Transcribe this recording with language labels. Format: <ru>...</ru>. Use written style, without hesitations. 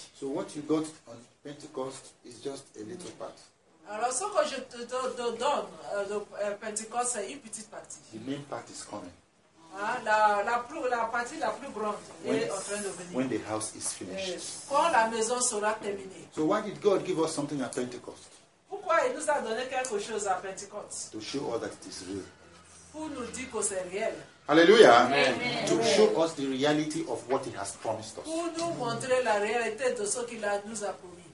<en>So what you got on Pentecost is just a little part.</en> <fr>Alors ce que je te donne le Pentecost, c'est une petite partie.</fr> <en>The main part is coming.</en> <fr>La partie la plus grande est en train de venir.</fr> <en>When the house is finished.</en> <fr>Quand la maison sera terminée.</fr> <en>So why did God give us something at Pentecost?</en> <fr>Pourquoi il nous a donné quelque chose à Pentecost?</fr> <en>To show us that it is real.</en> <fr>Pour nous dire que c'est réel.</fr> <en>Hallelujah. Amen. To show us the reality of what he has promised us.</en> <fr>Pour nous montrer la réalité de ce qu'il nous a promis.</fr>